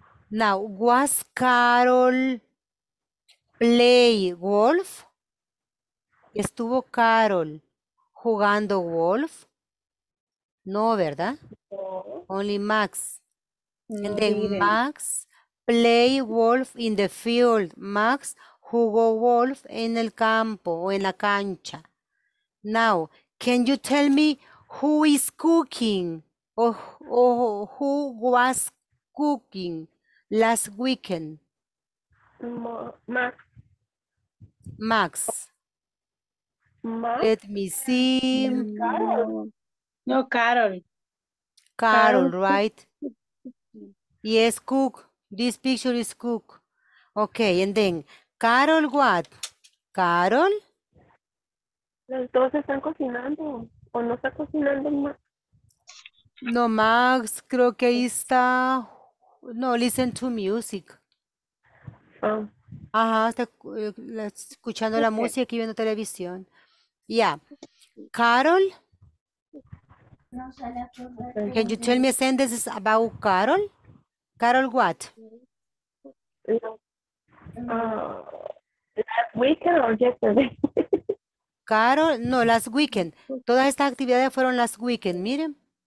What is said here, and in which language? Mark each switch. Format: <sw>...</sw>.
<en>Now, was Carol play golf?</en> <es>¿Estuvo Carol jugando golf? No, ¿verdad?</es> <en>No. Only Max. No, and then Max play golf in the field.</en> <es>Max jugó golf en el campo o en la cancha.</es> <en>Now, can you tell me who is cooking? Or who was cooking last weekend? Max. Max. Max. Let me see. No, Carol. Carol, right? Yes, cook. This picture is cook. Okay, and then Carol, what? Carol?</en> <es>Los dos están cocinando. ¿O no está cocinando Max? No, Max, creo que ahí está. No,</es> <en>listen to music. Oh.</en> <es>Ajá, está escuchando la música y viendo televisión.</es> <en>Ya. Yeah. Carol?</en> <es>No sale a correr.</es> <en>Can you tell me a sentence about Carol? Carol, what? Last weekend or yesterday? Carol, no, last weekend.</en> <es>Todas estas actividades fueron</es> <en>last weekend,</en> <es>miren.</es>